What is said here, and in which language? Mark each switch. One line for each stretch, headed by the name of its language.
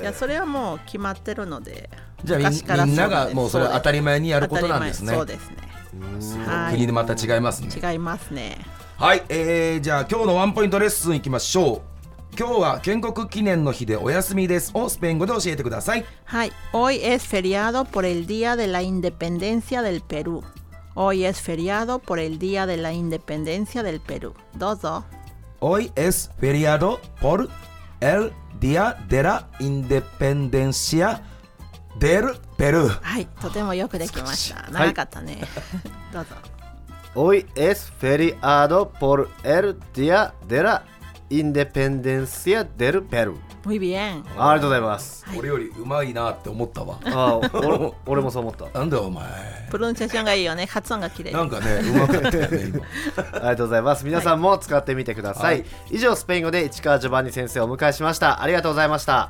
Japanese: いや、それはもう決まってるので。じゃあみんながもうそれ当たり前にやることなんですね。そうですね、うーん、国でまた違いますね。違いますね。はい、じゃあ今日のワンポイントレッスンいきましょう。今日は建国記念の日でお休みですをスペイン語で教えてください。
Spanish: はい、 Hoy es feriado por el día de la independencia del Perú. Hoy es feriado por el día de la independencia del Perú.
Japanese: どうぞ。
Spanish: Hoy es feriado por el día de la independencia del Perú.
Japanese: はい、とてもよくできました。長かったね。どうぞ。
Spanish: Hoy es feriado por el día de laインデペンデンシアデルペル。 Muy bien。
Japanese: ありがとうございます。俺より上手いなって思ったわ。はい、ああ、俺もそう思った。なんだお前。プロンチェーションがいいよね。発音が綺麗。なんかね、上手かったよね今。ありがとうございます。皆さんも使ってみてください。はい、以上、スペイン語で市川ジョバンニ先生をお迎えしました。ありがとうございました。